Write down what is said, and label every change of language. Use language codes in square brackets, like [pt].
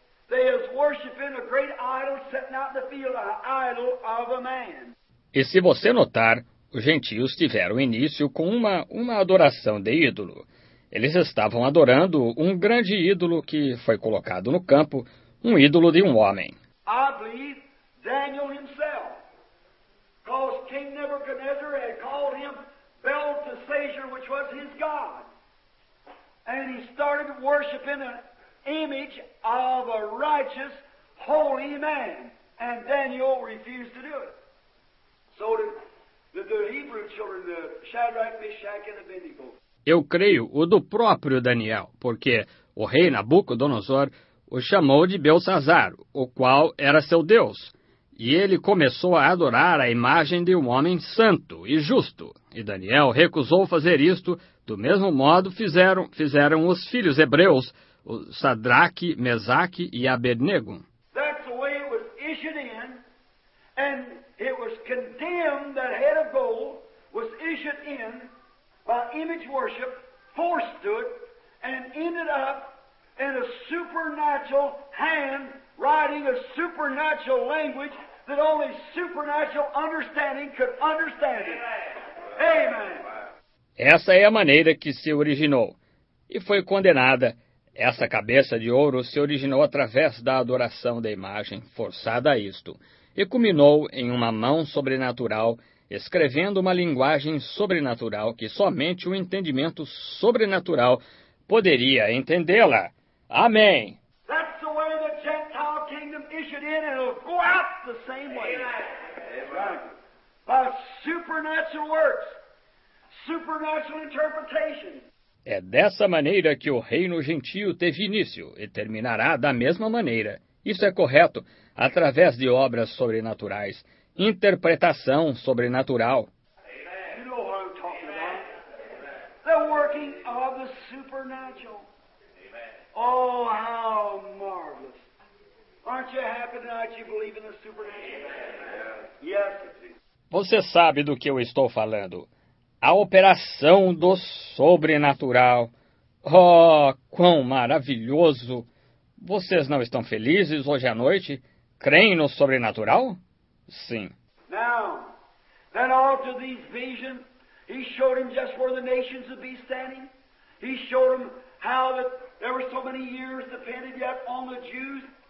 [en] They is worshiping a great idol sitting out in the field, an idol of a man. [pt] E se você notar, os gentios tiveram início com uma adoração de ídolo. Eles estavam adorando um grande ídolo que foi colocado no campo, um ídolo de um homem. [en] I believe Daniel himself, because King Nebuchadnezzar had called him Belteshazzar, which was his god. And he started worshiping an image of a righteous, holy man. And Daniel refused to do it. So did the Hebrew children, the Shadrach, Meshach, and Abednego. [pt] Eu creio o do próprio Daniel, porque o rei Nabucodonosor o chamou de Belsazar, o qual era seu Deus. E ele começou a adorar a imagem de um homem santo e justo. E Daniel recusou fazer isto. Do mesmo modo fizeram os filhos hebreus, o Sadraque, Mesaque e Abednego. [en] That's the way it was issued in, and it was condemned, that head of gold was issued in by image worship, forced to it, and ended up in a supernatural hand writing a supernatural language that only supernatural understanding could understand it. Amen. Amen. [pt] Essa é a maneira que se originou, e foi condenada. Essa cabeça de ouro se originou através da adoração da imagem, forçada a isto, e culminou em uma mão sobrenatural, escrevendo uma linguagem sobrenatural que somente um entendimento sobrenatural poderia entendê-la. Amém! [en] That's the way the Gentile kingdom issued in, and it'll go out the same way. Amen. By supernatural works. supernatural interpretation. [pt] É dessa maneira que o reino gentil teve início e terminará da mesma maneira. Isso é correto, através de obras sobrenaturais, interpretação sobrenatural. [en] You know what I'm talking about. The working of the supernatural. Oh, how marvelous. Aren't you happy tonight you believe in the supernatural? Yes. [pt] Você sabe do que eu estou falando. A operação do sobrenatural. Oh, quão maravilhoso! Vocês não estão felizes hoje à noite? Creem no sobrenatural? Sim. [en] Now, then after these visions, he showed him just where the nations would be standing. He showed him how that there were so many years depended yet on the Jews.